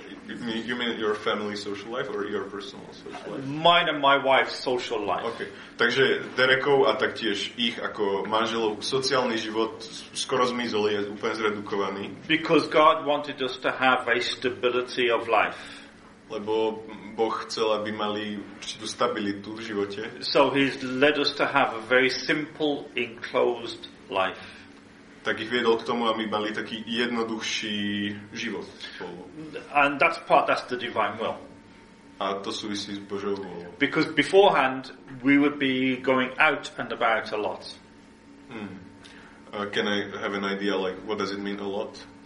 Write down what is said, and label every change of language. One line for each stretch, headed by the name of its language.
English: You mean your family social life or your personal social life? Mine and my wife's social life. Okay.
Slovak: Takže Derekov a taktiež ich ako manželov sociálny život skoro zmizol, je úplne zredukovaný.
English: Because God wanted us to have a stability of life.
Slovak: Lebo Boh chcel, aby mali určitú stabilitu v živote.
English: So he's led us to have a very simple, enclosed life.
Slovak: Tak ich viedol k tomu, aby mali taký jednoduchší život spolu.
English: And that's the divine will.
Slovak: A to súvisí s Božou vôľou.
English: Because beforehand we would be going out and about a lot. Can I have an idea, like, what does it mean a lot?